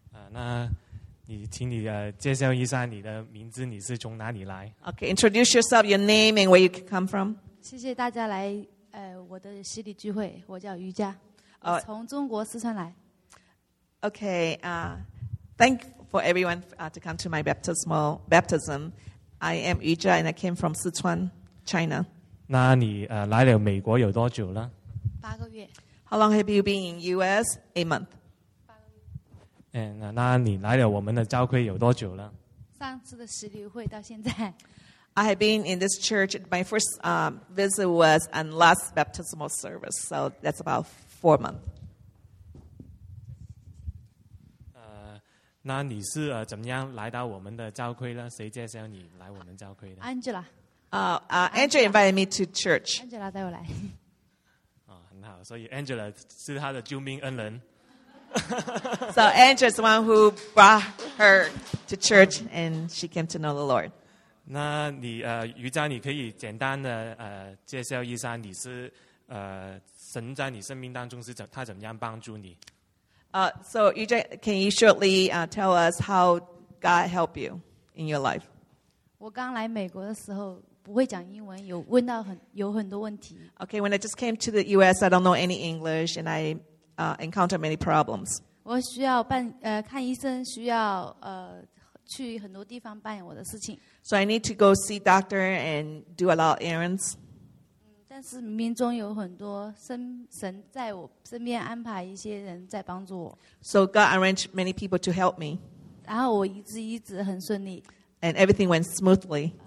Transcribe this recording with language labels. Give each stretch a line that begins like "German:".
Chinese: 那你请你介绍一下你的名字，你是从哪里来
English: ？Okay, introduce yourself, your name, and where you come from.
Chinese: 谢谢大家来我的洗礼聚会，我叫瑜伽。从中国四川来。
English: Okay, thank for everyone to come to my baptism. I am Yuja and I came from Sichuan, China.
Chinese: 那你来了美国有多久了？八个月。
English: How long have you been in U.S.? A month.
Chinese: 八个月。那你来了我们的教会有多久了？上次的洗礼会到现在。
English: I have been in this church. My first visit was on last baptismal service, so that's about 4 months.
Chinese: 那你是怎么样来到我们的教会呢？谁介绍你来我们教会的
English: ？Angela. Angela invited me to church.
Chinese: Angela 带我来。很好，所以 Angela 是他的救命恩人。
English: So Angela is the one who brought her to church, and she came to know the Lord.
Chinese: 那你瑜伽，你可以简单的介绍一下你是。神在你生命当中是怎他怎么样帮助你
English: So EJ, can you shortly tell us how God helped you in your life?
Chinese: 我刚来美国的时候不会讲英文，有问到很有很多问题。
English: Okay, when I just came to the U.S., I don't know any English, and I encounter many problems.
Chinese: 我需要办看医生，需要去很多地方办我的事情。
English: So I need to go see doctor and do a lot of errands.
Chinese: 但是冥冥中有很多神在我身边安排一些人在帮助我。
English: So God arranged many people to help me.
Chinese: 然后我一直很顺利。
English: And everything went smoothly.